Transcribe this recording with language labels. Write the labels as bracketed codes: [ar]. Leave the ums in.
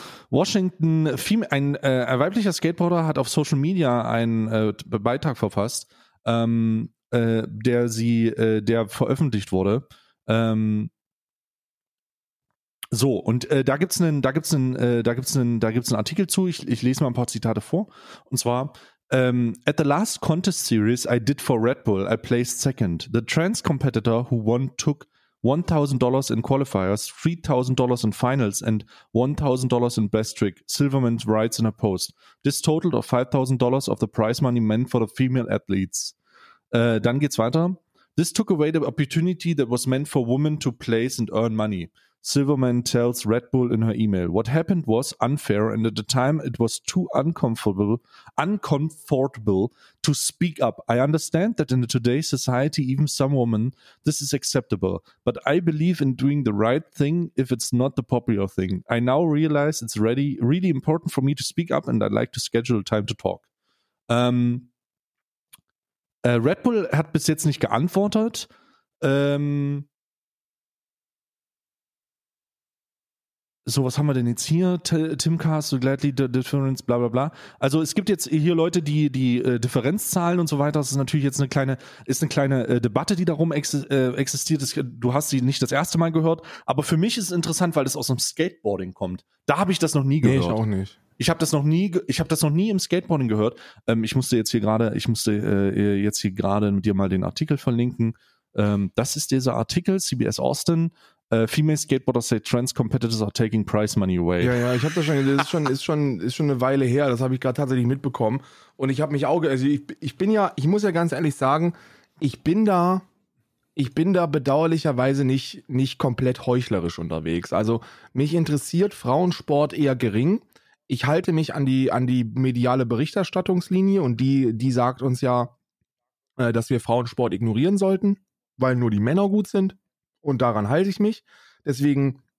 [de] Washington, Fem- ein äh, ein weiblicher Skateboarder hat auf Social Media einen äh, T- Beitrag verfasst, ähm, äh, der sie, äh, der veröffentlicht wurde. Ähm, so, und äh, da gibt's einen, da gibt's einen, äh, da gibt's einen, da gibt's einen Artikel zu. Ich, ich lese mal ein paar Zitate vor. Und zwar. [en] Ähm, at the last contest series I did for Red Bull, I placed second. The trans competitor who won took $1,000 in qualifiers, $3,000 in finals, and $1,000 in best trick. Silverman writes in a post. This totaled of $5,000 of the prize money meant for the female athletes. [de] Äh, dann geht's weiter. [en] This took away the opportunity that was meant for women to place and earn money. Silverman tells Red Bull in her email. What happened was unfair, and at the time it was too uncomfortable, uncomfortable to speak up. I understand that in today's society, even some women, this is acceptable. But I believe in doing the right thing if it's not the popular thing. I now realize it's ready, really important for me to speak up, and I'd like to schedule time to talk. [de] Ähm, äh, Red Bull hat bis jetzt nicht geantwortet. Ähm, so, was haben wir denn jetzt hier? [en] T Timcast, so gladly the difference, bla bla [de] bla. Also es gibt jetzt hier Leute, die die äh, Differenzzahlen und so weiter. Das ist natürlich jetzt eine kleine, ist eine kleine äh, Debatte, die darum exi äh, existiert. Das, du hast sie nicht das erste Mal gehört, aber für mich ist es interessant, weil das aus dem Skateboarding kommt. Da habe ich das noch nie Nee, gehört. ich auch nicht. Ich habe das noch nie, ge- ich habe das noch nie im Skateboarding gehört. Ähm, ich musste jetzt hier gerade, ich musste äh, jetzt hier gerade mit dir mal den Artikel verlinken. Ähm, das ist dieser Artikel, CBS Austin. [en] Äh, Female Skateboarders say trans competitors are taking prize money away. [de] Ja, ja, ich habe das schon, das ist schon, ist schon, ist schon eine Weile her. Das habe ich gerade tatsächlich mitbekommen. Und ich habe mich auch, ge- also ich, ich bin ja, ich muss ja ganz ehrlich sagen, ich bin da, ich bin da bedauerlicherweise nicht, nicht komplett heuchlerisch unterwegs. Also mich interessiert Frauensport eher gering. Ich halte mich an die, an die mediale Berichterstattungslinie und die, die sagt uns ja, äh, dass wir Frauensport ignorieren sollten, weil nur die Männer gut sind. Und daran halte ich mich. Deswegen